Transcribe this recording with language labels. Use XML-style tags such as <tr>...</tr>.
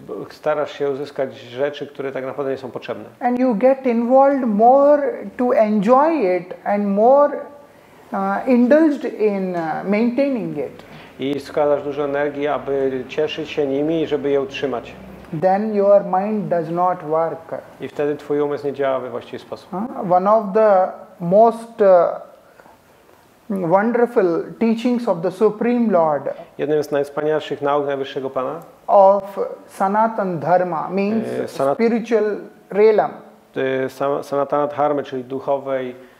<pl>Starasz się uzyskać rzeczy, które tak naprawdę nie są potrzebne.</pl> <en>And you get involved more to enjoy it and more indulged in maintaining it.</en> <pl>I składasz dużo energii, aby cieszyć się nimi i żeby je utrzymać.</pl> <en>Then your mind does not work.</en> <pl>I wtedy twój umysł nie działa we właściwy sposób.</pl> <en>One of the most wonderful teachings of the Supreme Lord.</en> <pl>Jednym z najwspanialszych nauk Najwyższego Pana.</pl> <en>Of Sanatan Dharma means spiritual realm.</en> <pl>Sanatana Dharma, czyli duchowej</pl>